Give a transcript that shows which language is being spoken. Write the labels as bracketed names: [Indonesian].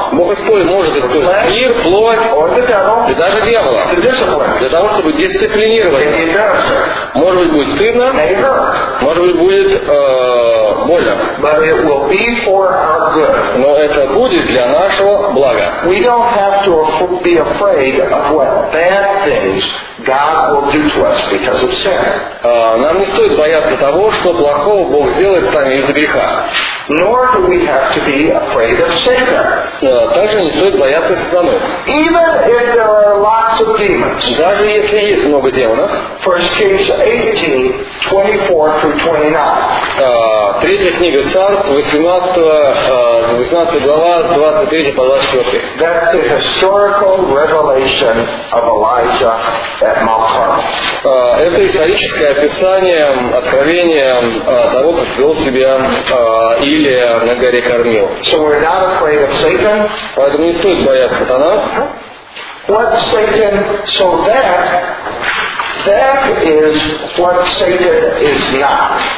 [Russian] Бог может использовать мир, плоть, [English] or the devil, [Russian] и даже дьявола, [English] to discipline. [Russian] Для того, чтобы дисциплинировать. [English] It may be embarrassing. [Russian] Может быть, будет стыдно. [English] May hurt. [Russian] Может быть, будет боль. добровольно. [English] But it will be for our good. [Russian] Но это будет для нашего блага. [English] We don't have to be afraid of what bad things God will do to us because of sin. [Russian] Нам не стоит бояться того, что плохого Бог сделает с нами из-за греха. [English] Nor do we have to be afraid of Satan. [Russian] Также не стоит бояться сатаны. [English] Even if there are lots of demons. [Russian] Даже если есть много демонов. [English] 1 Kings 18:24-29. [Russian] Третья книга Царств, 18 глава, 23 по 24. [English] That's the historical revelation of Elijah at Mount Carmel. [Russian] Это историческое описание откровения того, как вел себя Илия на горе Кармел. [English] So we're not afraid of Satan. [Russian] Поэтому не стоит бояться сатана. [English] What Satan? So that is what Satan is not.